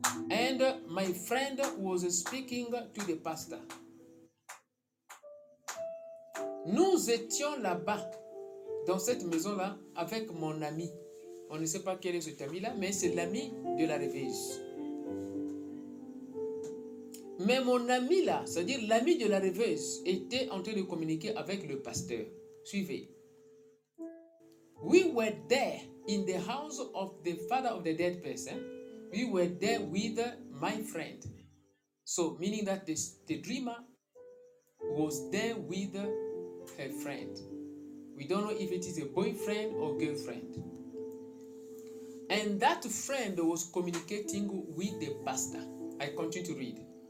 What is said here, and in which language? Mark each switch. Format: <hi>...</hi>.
<en>And my friend was speaking to the pastor.</en> <fr>Nous étions là-bas, dans cette maison-là, avec mon ami. On ne sait pas quel est cet ami-là, mais c'est l'ami de la rêveuse. Mais mon ami là, c'est-à-dire l'ami de la rêveuse, était en train de communiquer avec le pasteur. Suivez.</fr> <en>We were there in the house of the father of the dead person. We were there with my friend. So, meaning that the dreamer was there with her friend. We don't know if it is a boyfriend or girlfriend. And that friend was communicating with the pastor. I continue to read.</en>